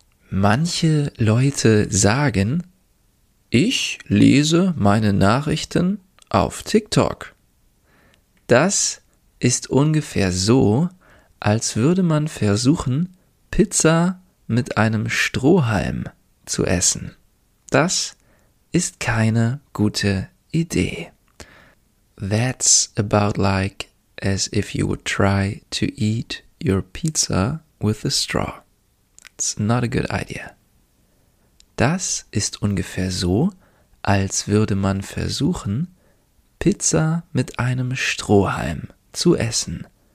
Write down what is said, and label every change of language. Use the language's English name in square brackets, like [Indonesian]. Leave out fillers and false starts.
[German] Manche Leute sagen, ich lese meine Nachrichten auf TikTok. Das ist ungefähr so, als würde man versuchen, Pizza mit einem Strohhalm zu essen. Das ist keine gute Idee. [English] That's about like as if you would try to eat your pizza with a straw. It's not a good idea. [German] Das ist ungefähr so, als würde man versuchen, Pizza mit einem Strohhalm zu essen.